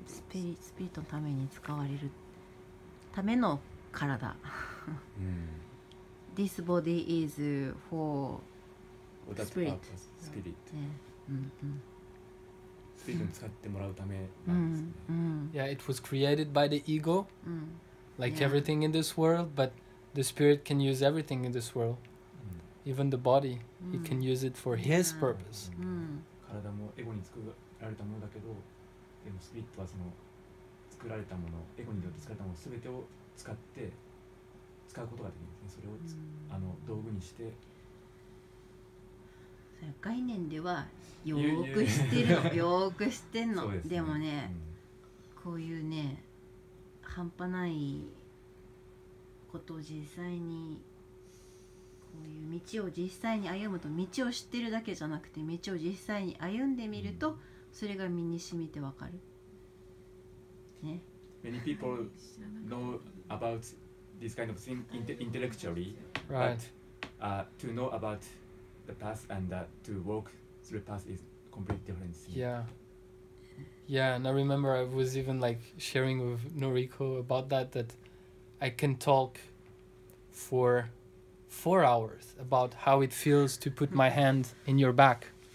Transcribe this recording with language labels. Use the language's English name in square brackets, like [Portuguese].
[Japanese] スピリットのために使われるための体、うん、 [English] This body is for spirit スピリット [Japanese] 、ねうんうん、スピリットに使ってもらうためなんですね、うんうん、 [English] Yeah, it was created by the ego、 [Japanese] うん、 [English] like、yeah. everything in this world but the spirit can use everything in this worldEven the body, he can use it for his purpose. [Japanese] 体もエゴに作られたものだけど、でもスピリットはその作られたもの、エゴによって作られたものすべてを使って使うことができるんですね。それをあの道具にして。概念ではよく知ってるの、よく知ってんの。でもね、こういうね、半端ないことを実際に。こういう道を実際に歩むと道を知ってるだけじゃなくて道を実際に歩んでみるとそれが身に染みてわかる、ね、 [English] Many people know about this kind of thing intellectually but、 to know about the path and、to walk through the path is completely different thing. Yeah. Yeah, and I remember I was even like sharing with Noriko about that I can talk for 4 hours about how it feels to put my hand in your back.